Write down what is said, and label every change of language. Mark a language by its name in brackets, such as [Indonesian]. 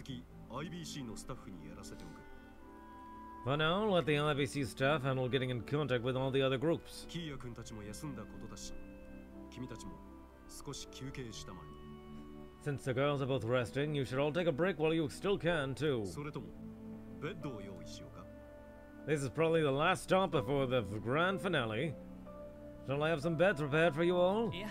[Japanese] 各所との連絡などは引き続きIBCのスタッフにやらせておく. [English] For now, let the IBC staff handle getting in contact with all the other groups. [Japanese] キーヤ君たちも休んだことだし、君たちも少し休憩したまえ。 [English] Since the girls are both resting, you should all take a break while you still can, too. [Japanese] それとも、ベッドを用意しようか? [English] This is probably the last stop before the grand finale. Shall I have some beds prepared for you all?